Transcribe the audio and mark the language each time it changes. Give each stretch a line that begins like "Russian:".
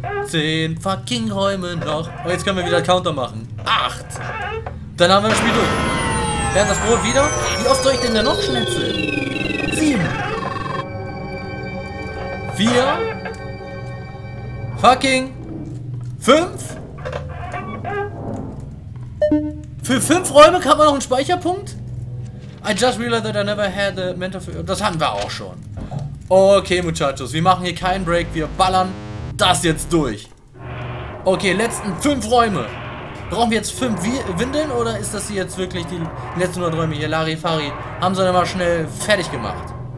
German: 10 fucking Räume noch. Und jetzt können wir wieder Counter machen. 8. Dann haben wir das Spiel durch. Wer hat das Brot wieder? Wie oft soll ich denn da noch schnitzeln? 7. 4. Fucking. 5. Für 5 Räume kann man noch einen Speicherpunkt?
English: I just realized that I never had a mentor for...
German: Das hatten wir auch schon. Okay, Muchachos, wir machen hier keinen Break. Wir ballern das jetzt durch. Okay, letzten 5 Räume. Brauchen wir jetzt 5 Windeln oder ist das hier jetzt wirklich die letzten 100 Räume hier? Larifari, haben sie dann mal schnell fertig gemacht.